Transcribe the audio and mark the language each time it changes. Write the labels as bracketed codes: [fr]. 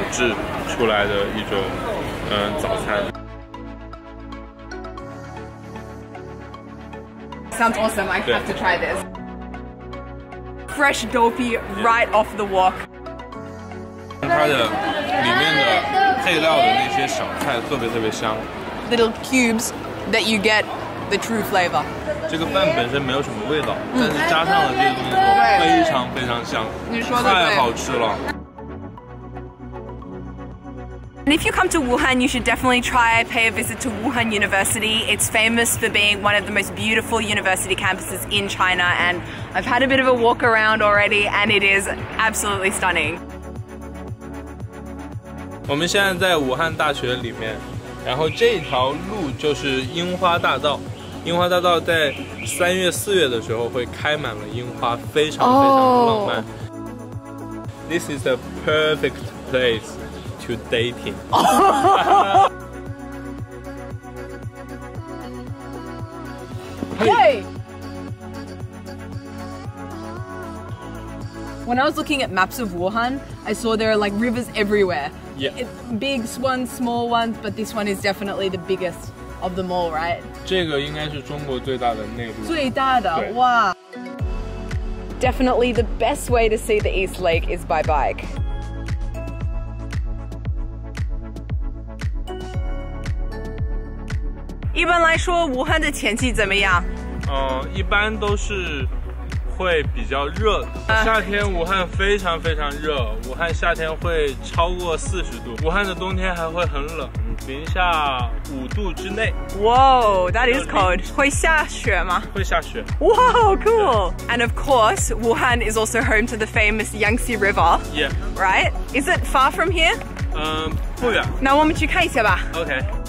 [zh] Doupi就是它的底下有一层蛋饼，然后会铺上糯米饭，然后加上香菇丁、五花肉丁、香笋丁和豆干丁，然后把它们全部做在一起之后烤制出来的一种早餐。 [en] Sounds awesome. I have to try this. Fresh doupi right off the wok. Its [zh] 里面的配料的那些小菜特别特别香。 [en] Little cubes that you get the true flavor. [zh] 这个饭本身没有什么味道，但是加上了这个东西，非常非常香，你说的太好吃了。 [en] And if you come to Wuhan, you should definitely try pay a visit to Wuhan University. It's famous for being one of the most beautiful university campuses in China, and I've had a bit of a walk around already, and it is absolutely stunning. [zh] 我们现在在武汉大学里面，然后这条路就是樱花大道。樱花大道在三月、四月的时候会开满了樱花，非常非常浪漫。 [en] This is the perfect place. To dating. Hey! When I was looking at maps of Wuhan, I saw there are like rivers everywhere. Yeah. Big ones, small ones, but this one is definitely the biggest of them all, right? [zh] 这个应该是中国最大的内陆。最大的，哇！ [en] Definitely the best way to see the East Lake is by bike. [zh] 一般来说，武汉的天气怎么样？一般都是会比较热的。夏天武汉非常非常热，武汉夏天会超过40度。武汉的冬天还会很冷，零下5度之内。 [en] Whoa, that is cold. [zh] 会下雪吗？会下雪。 [en] Wow, cool. And of course, Wuhan is also home to the famous Yangtze River. Yeah. Right? Is it far from here? [zh] 不远。那我们去看一下吧。 [en] Okay.